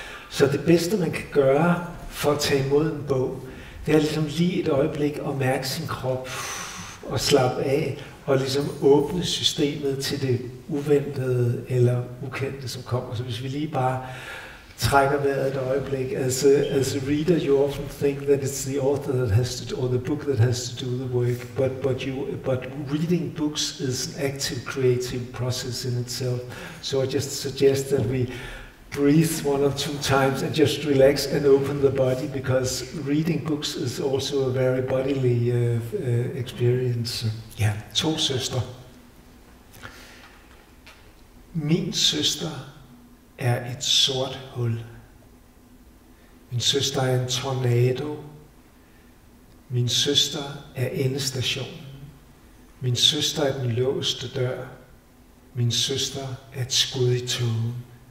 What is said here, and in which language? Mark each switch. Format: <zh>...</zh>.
<da>Så det bedste, man kan gøre for at tage imod en bog, det er ligesom lige et øjeblik at mærke sin krop og slappe af og ligesom åbne systemet til det uventede eller ukendte, som kommer. Så hvis vi lige bare trækker vejret et øjeblik.</da> <en>As a reader, you often think that it's the author that has to, or the book that has to do the work, but reading books is an active creative process in itself. So I just suggest that we breathe one or two times and just relax and open the body, because reading books is also a very bodily experience.</en> <da>Yeah, to søster. Min søster er et sort hul. Min søster er en tornado. Min søster er endestationen. Min søster er den låste dør. Min søster er et skud i tågen.</da>